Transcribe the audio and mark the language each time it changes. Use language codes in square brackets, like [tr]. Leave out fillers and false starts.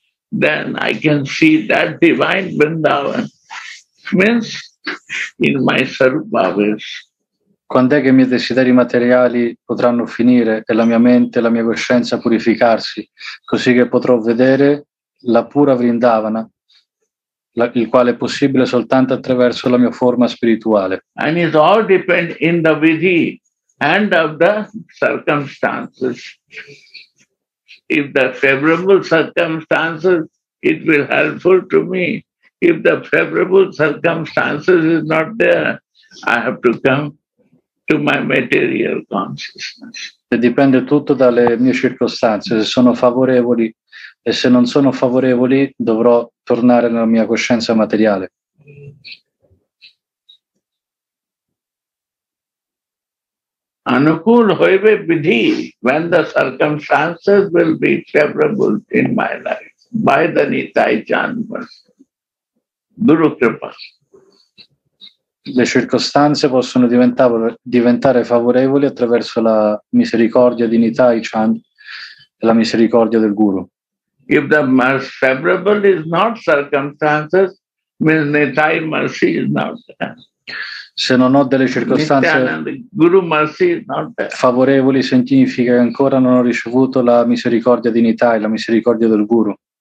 [en] Then I can see that divine Vrindavan means in my Sarupavesh. [it] Quando è che i miei desideri materiali potranno finire e la mia mente e la mia coscienza purificarsi, così che potrò vedere la pura Vrindavana, il quale è possibile soltanto attraverso la mia forma spirituale. [en] And it all depends in the vidhi and of the circumstances. If the favorable circumstances, it will helpful to me. If the favorable circumstances is not there, I have to come to my material consciousness. [it] E dipende tutto dalle mie circostanze. Se sono favorevoli e se non sono favorevoli, dovrò tornare nella mia coscienza materiale. [bn] Anukul hoibe vidhi, [en] when the circumstances will be favorable in my life, by the Nitai Chanmas, Guru Kripa. [it] Le circostanze possono diventare favorevoli attraverso la misericordia di Nitai Chan e la misericordia del Guru. [en] If the most favorable is not circumstances, means Nitai mercy is not there. [it] Se non ho delle circostanze favorevoli, significa che ancora non ho ricevuto la misericordia di Nitai, la misericordia del Guru.